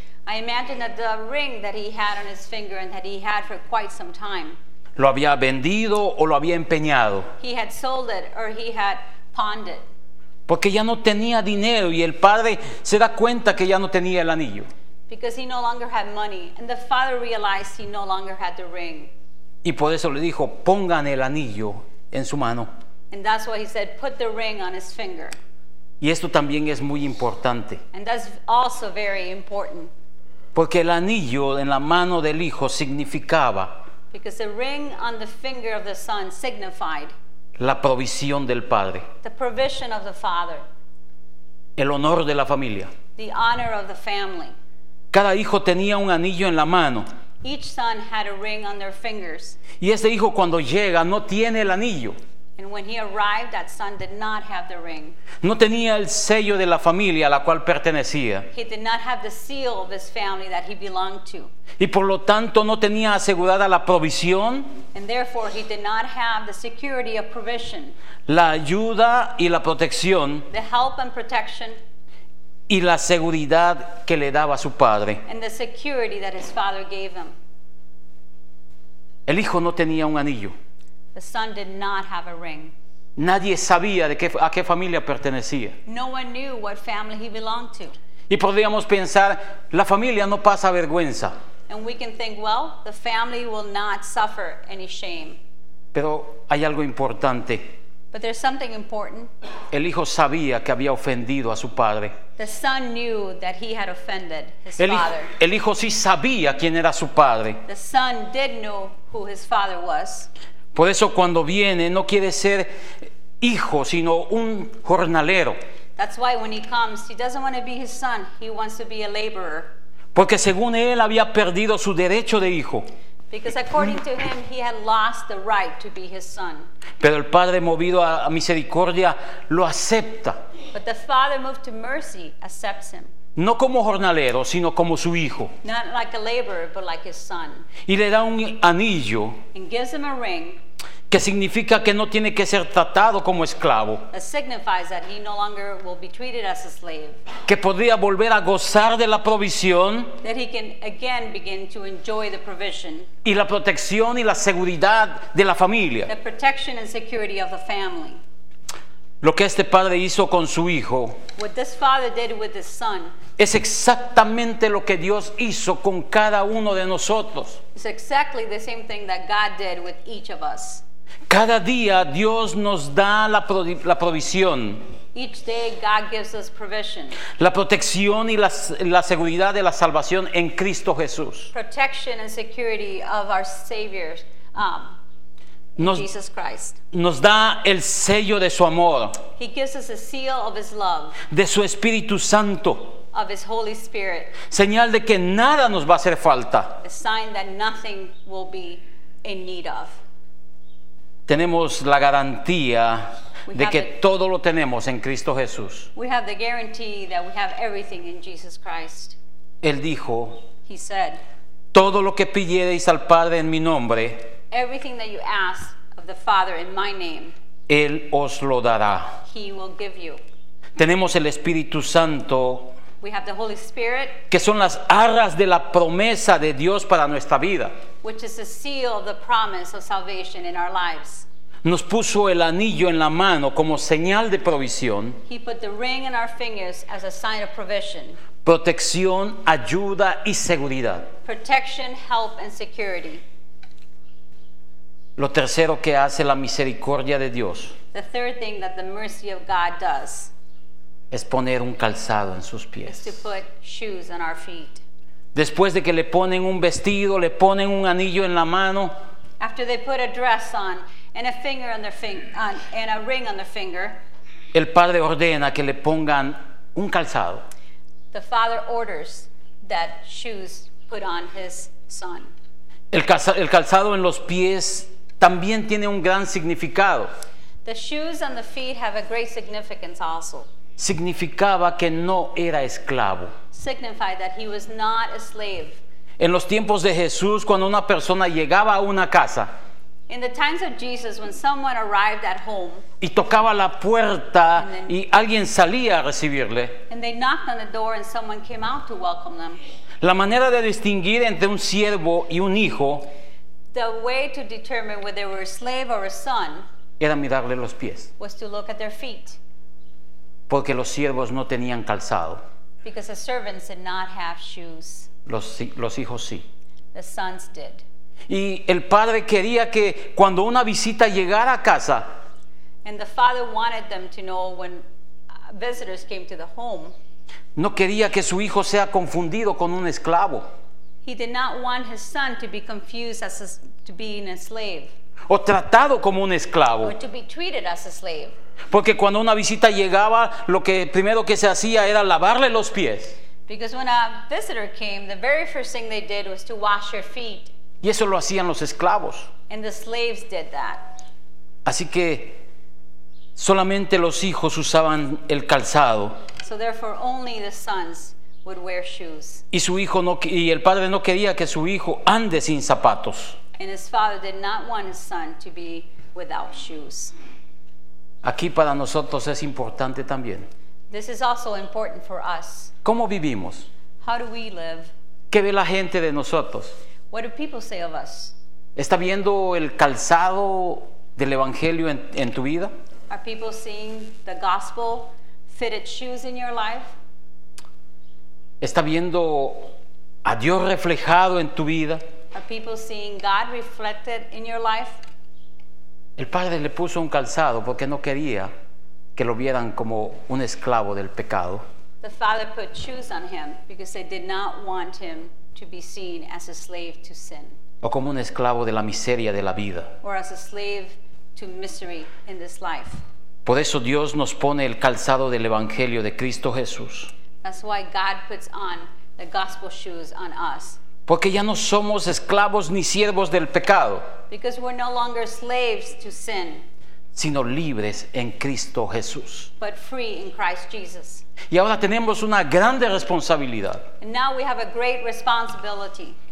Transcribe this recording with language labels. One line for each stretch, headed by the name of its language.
English: I imagine that the ring that he had on his finger and that he had for quite some time,
Spanish: lo había vendido o lo había empeñado.
English: He had sold it or he had pawned it.
Spanish: Porque ya no tenía dinero y el padre se da cuenta que ya no tenía el anillo.
English: Because he no longer had money and the father realized he no longer had the ring.
Spanish: Y por eso le dijo, pongan el anillo en su mano.
English: And that's why he said, put the ring on his finger.
Spanish: Y esto también es muy importante.
English: And that's also very important.
Spanish: Porque el anillo en la mano del hijo significaba,
English: because the ring on the finger of the son signified
Spanish: la provisión del padre,
English: the provision of the father,
Spanish: el honor de la familia,
English: the honor of the family.
Spanish: Cada hijo tenía un anillo en la mano.
English: Each son had a ring on their fingers.
Spanish: Y ese hijo cuando llega no tiene el anillo.
English: And when he arrived, that son did not have the ring.
Spanish: No tenía el sello de la familia a la cual pertenecía.
English: He did not have the seal of his family that he belonged to.
Spanish: Y por lo tanto no tenía asegurada la provisión.
English: And therefore he did not have the security of provision.
Spanish: La ayuda y la protección.
English: The help and protection.
Spanish: Y la seguridad que le daba su padre.
English: And the security that his father gave him.
Spanish: El hijo no tenía un anillo.
English: The son did not have a ring.
Spanish: Nadie sabía de qué, a qué familia pertenecía.
English: No one knew what family he belonged to.
Spanish: Y podríamos pensar, la familia no pasa vergüenza.
English: And we can think, well, the family will not suffer any shame.
Spanish: Pero hay algo importante.
English: But there's something important.
Spanish: El hijo sabía que había ofendido a su padre.
English: The son knew that he had offended his father.
Spanish: El hijo sí sabía quién era su padre.
English: The son did know who his father was.
Spanish: Por eso cuando viene no quiere ser hijo, sino un jornalero.
English: That's why when he comes, he doesn't want to be his son. He wants to be a laborer.
Spanish: Porque según él había perdido su derecho de hijo.
English: Because according to him, he had lost the right to be his son.
Spanish: Pero el padre, movido a misericordia, lo acepta.
English: But the father, moved to mercy, accepts him.
Spanish: No como jornalero, sino como su hijo.
English: Not like a laborer, but like his son.
Spanish: Y le da un anillo.
English: And gives him a ring.
Spanish: Que significa que no tiene que ser tratado como esclavo.
English: That signifies that he no longer will be treated as a slave.
Spanish: Que podría volver a gozar de la provisión.
English: That he can again begin to enjoy the provision.
Spanish: Y la protección y la seguridad de la familia.
English: The protection and security of the family.
Spanish: Lo que este padre hizo con su hijo.
English: What this father did with his son.
Spanish: Es exactamente lo que Dios hizo con cada uno de nosotros.
English: It's exactly the same thing that God did with each of us.
Spanish: Cada día Dios nos da la provisión.
English: Each day God gives us provision.
Spanish: La protección y la seguridad de la salvación en Cristo Jesús.
English: Protection and security of our Savior, Jesus Christ.
Spanish: Nos da el sello de su amor.
English: He gives us a seal of his love.
Spanish: De su Espíritu Santo.
English: Of his Holy Spirit.
Spanish: Señal de que nada nos va a hacer falta.
English: A sign that nothing will be in need of.
Spanish: Tenemos la garantía de que todo lo tenemos en Cristo Jesús.
English: We have the guarantee that we have everything in Jesus Christ.
Spanish: Él dijo,
English: he said,
Spanish: todo lo que pidiereis al Padre en mi nombre,
English: everything that you ask of the Father in my name,
Spanish: Él os lo dará.
English: He will give you.
Spanish: Tenemos el Espíritu Santo.
English: We have the Holy Spirit,
Spanish: que son las arras de la promesa de Dios para nuestra vida,
English: which is the seal of the promise of salvation in our lives.
Spanish: Nos puso el anillo en la mano como señal de provisión.
English: He put the ring in our fingers as a sign of provision.
Spanish: Protección, ayuda y seguridad.
English: Protection, help and security.
Spanish: Lo tercero que hace la misericordia de Dios.
English: The third thing that the mercy of God does.
Spanish: Es poner un calzado en sus pies.
English: To put shoes on our feet.
Spanish: Después de que le ponen un vestido, le ponen un anillo en la mano.
English: After they put a dress on and a finger on their and a ring on their finger.
Spanish: El padre ordena que le pongan un calzado.
English: The father orders that shoes put on his son.
Spanish: El calzado en los pies también tiene un gran significado.
English: The shoes on the feet have a great significance also.
Spanish: Significaba que no era esclavo.
English: Signified that he was not a slave.
Spanish: En los tiempos de Jesús, cuando una persona llegaba a una casa,
English: in the times of Jesus, when someone arrived at home,
Spanish: y tocaba la puerta y alguien salía a recibirle,
English: and they knocked on the door and someone came out to welcome them,
Spanish: la manera de distinguir entre un siervo y un hijo,
English: the way to determine whether they were a slave or a son,
Spanish: era mirarle los pies,
English: was to look at their feet.
Spanish: Porque los siervos no tenían calzado.
English: Because the servants did not have shoes.
Spanish: Los hijos sí.
English: The sons did.
Spanish: Y el padre quería que cuando una visita llegara a casa.
English: And the father wanted them to know when visitors came to the home.
Spanish: No quería que su hijo sea confundido con un esclavo.
English: He did not want his son to be confused as to being a slave.
Spanish: O tratado como un esclavo.
English: Or to be treated as a slave.
Spanish: Porque cuando una visita llegaba, lo que primero que se hacía era lavarle los pies.
English: Because when a visitor came, the very first thing they did was to wash their feet.
Spanish: Y eso lo hacían los esclavos.
English: And the slaves did that.
Spanish: Así que solamente los hijos usaban el calzado.
English: So therefore only the sons would wear shoes.
Spanish: Y su hijo no, y el padre no quería que su hijo ande sin zapatos.
English: And his father did not want his son to be without shoes.
Spanish: Aquí para nosotros es importante también.
English: This is also important for us.
Spanish: ¿Cómo vivimos?
English: How do we live?
Spanish: ¿Qué ve la gente de nosotros?
English: What do people say of us?
Spanish: ¿Está viendo el calzado del evangelio en tu vida?
English: Are people seeing the gospel fitted shoes in your life?
Spanish: ¿Está viendo a Dios reflejado en tu vida?
English: Are people seeing God reflected in your life?
Spanish: El padre le puso un calzado porque no quería que lo vieran como un esclavo del pecado.
English: The father put shoes on him because they did not want him to be seen as a slave to sin.
Spanish: O como un esclavo de la miseria de la vida.
English: Or as a slave to misery in this life.
Spanish: Por eso Dios nos pone el calzado del evangelio de Cristo Jesús.
English: That's why God puts on the gospel shoes on us.
Spanish: Porque ya no somos esclavos ni siervos del pecado.
English: Because we're no longer slaves to sin.
Spanish: Sino libres en Cristo Jesús.
English: But free in Christ Jesus.
Spanish: Y ahora tenemos una grande responsabilidad.
English: And now we have a great responsibility.